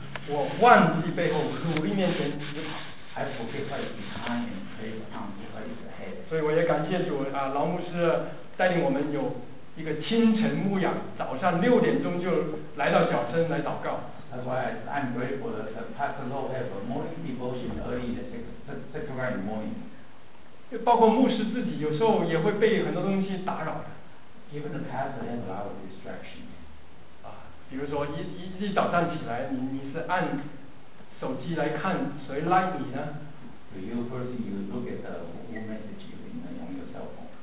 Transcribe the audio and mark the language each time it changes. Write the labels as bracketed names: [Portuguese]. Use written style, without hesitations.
[Chinese] 我忘记背后，努力面前直跑。 [English] I forget what is behind and face on to what is ahead. [Chinese] 所以我也感谢主啊，劳牧师带领我们有一个清晨牧养，早上六点钟就来到小镇来祷告。 [English] That's why I'm grateful that Pastor Lo has a morning devotion early in the six o'clock in the morning. [Chinese] 包括牧师自己有时候也会被很多东西打扰的。 [English] Even the pastor has a lot of distractions. [Chinese] 比如说一早上起来，你是按手机来看谁拉你呢？ [English] Do you first you look at the who message you in on your cell phone？